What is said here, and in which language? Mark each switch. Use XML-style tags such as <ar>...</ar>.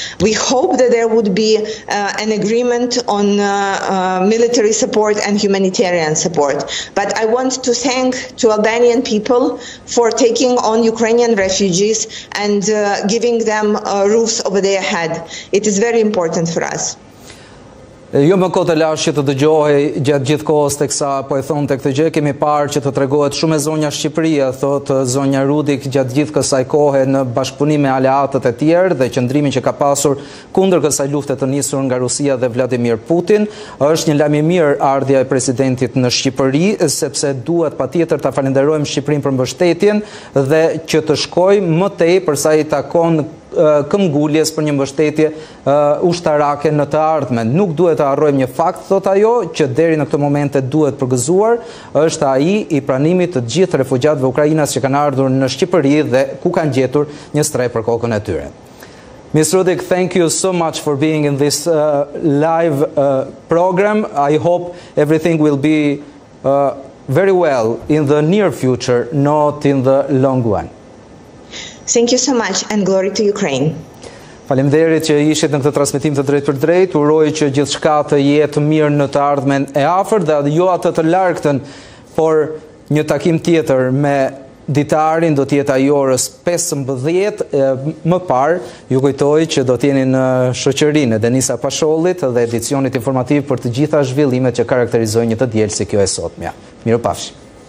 <en>We hope that there would be an agreement on military support and humanitarian support. But I want to thank to Albanian people for taking on Ukrainian refugees and giving them roofs over their head. It is very important for us.</en> <sq>Jo më kote lash që të dëgjohi gjatë gjithë kohës të kësa po e thonë të këtë gjë, kemi parë që të tregohet shumë e zonja Shqipëria, thotë zonja Rudik gjatë gjithë kësaj kohë në bashkëpunim me aleatët e tjerë dhe qëndrimin që ka pasur kundër kësaj lufte të nisur nga Rusia dhe Vladimir Putin. Është një lajm I mirë ardhja e presidentit në Shqipëri, sepse duhet pa tjetër të falenderojmë Shqipërinë për mbështetjen dhe që të shkojë më tej për sa I takon këmbgulljes për një mbështetje ushtarake në të ardhmen. Nuk duhet të harrojmë një fakt, thot ajo, që deri në këtë moment duhet përgëzuar, është ai i pranimit të gjithë refugjatëve ukrainas që kanë ardhur në Shqipëri dhe ku kanë gjetur një streh për kokën e tyre.</sq> <en>Ms. Rudik, thank you so much for being in this live program. I hope everything will be very well in the near future, not in the long one. Thank you so much and glory to Ukraine.</en> <sq>Faleminderit që ishit në këtë transmitim të drejtë për drejtë. Uroj që gjithçka të jetë mirë në të ardhmen e afër dhe jo atë të largëtën, por një takim tjetër me Ditarin do të jetë ajo orës 15:00 më parë. Ju kujtoj që do të jeni në shoqërinë Denisa Pasholit dhe edicionit informativ për të gjitha zhvillimet që karakterizojnë një të diel si kjo e sotmja. Mirupafshim.</sq>